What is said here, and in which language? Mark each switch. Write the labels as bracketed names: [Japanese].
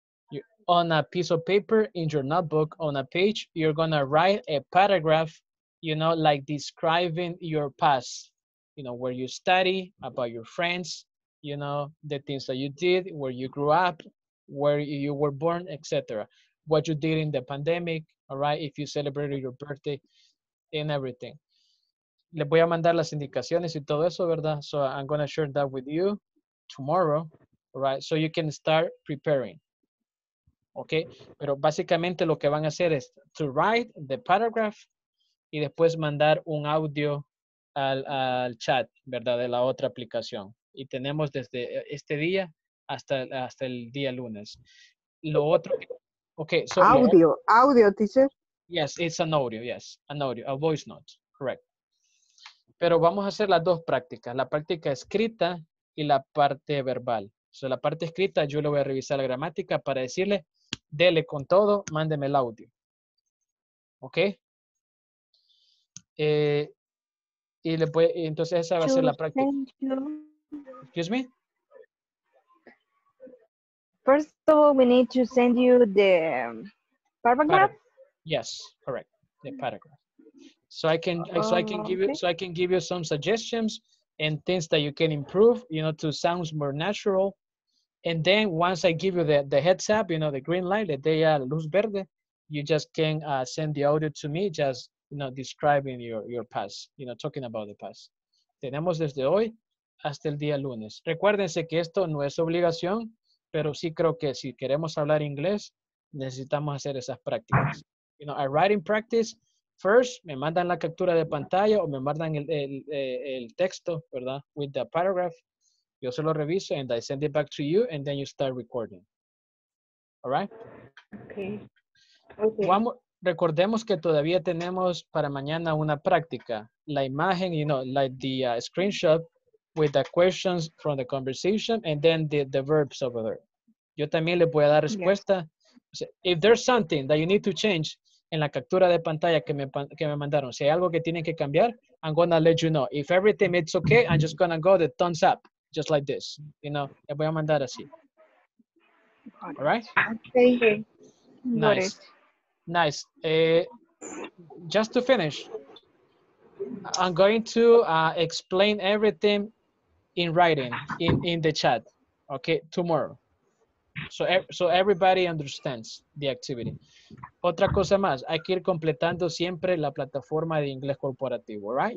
[English] You're on a piece of paper in your notebook, on a page, you're gonna write a paragraph, you know, like describing your past, you know, where you study, about your friends, you know, the things that you did, where you grew up, where you were born, etc. What you did in the pandemic, all right, if you celebrated your birthday, and everything. [Spanish] Les voy a mandar las indicaciones y todo eso, ¿verdad? [English] So I'm going to share that with you tomorrow, right? So you can start preparing, okay? [Spanish] Pero básicamente lo que van a hacer es [English] to write the paragraph [Spanish] y después mandar un audio al chat, ¿verdad? De la otra aplicación. Y tenemos desde este día hasta el día lunes. Lo otro, [English] okay. So audio, yeah. Audio, teacher. Yes, it's an audio, yes. An audio, a voice note, correct. [Spanish] Pero vamos a hacer las dos prácticas, la práctica escrita y la parte verbal. So, la parte escrita, yo le voy a revisar la gramática para decirle, dele con todo, mándeme el audio. ¿Ok? Y le voy, entonces esa va a ser la práctica. [English] Excuse me. First of all, we need to send you the paragraph. Yes, correct. The paragraph. So I can give you some suggestions and things that you can improve, you know, to sound more natural. And then once I give you the heads up, you know, the green light, the day [Spanish] luz verde, [English] you just can send the audio to me, just, you know, describing your past, you know, talking about the past. [Spanish] Tenemos desde hoy hasta el día lunes. Recuérdense que esto no es obligación, pero sí creo que si queremos hablar inglés, necesitamos hacer esas prácticas. [English] You know, a writing practice. First, [Spanish] me mandan la captura de pantalla o me mandan el texto, ¿verdad? [English] With the paragraph. [Spanish] Yo se lo reviso [English] and I send it back to you and then you start recording. All right? Okay. Okay. [Spanish] Recordemos que todavía tenemos para mañana una práctica. La imagen, [English] you know, like the screenshot with the questions from the conversation and then the verbs over there. [Spanish] Yo también le voy a dar respuesta. [English] Yes. If there's something that you need to change, [Spanish] en la captura de pantalla que me mandaron. Si hay algo que tienen que cambiar, [English] I'm going to let you know. If everything is okay, I'm just going to go the thumbs up, just like this. You know, [Spanish] le voy a mandar así. [English] All right? Okay. Nice. Nice. Just to finish, I'm going to explain everything in writing, in the chat, okay, tomorrow. So everybody understands the activity. [Spanish] Otra cosa más, hay que ir completando siempre la plataforma de inglés corporativo, [English] right?